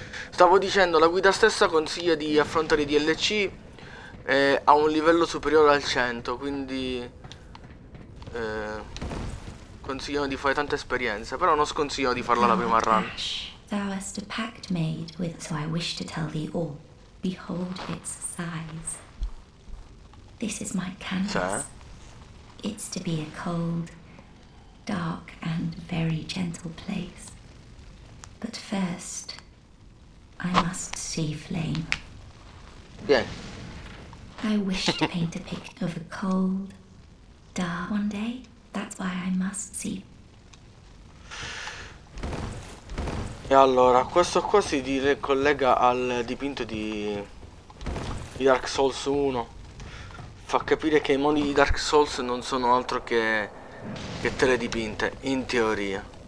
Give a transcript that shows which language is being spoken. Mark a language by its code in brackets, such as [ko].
[it] Stavo dicendo, la guida stessa consiglia di affrontare i DLC a un livello superiore al 100, quindi consigliano di fare tante esperienze, però non sconsiglio di farla la prima run. [en] Thou hast a pact made with, so I wish to tell thee all. Behold its size. This is my canvas. It's to be a cold, dark and very gentle place. But first I must see flame. Yeah. I wish to paint a picture of a cold, dark one day. That's why I must see. [it] E allora, questo qua si ricollega al dipinto di Dark Souls 1. Fa capire che i mondi di Dark Souls non sono altro che tele dipinte, in teoria.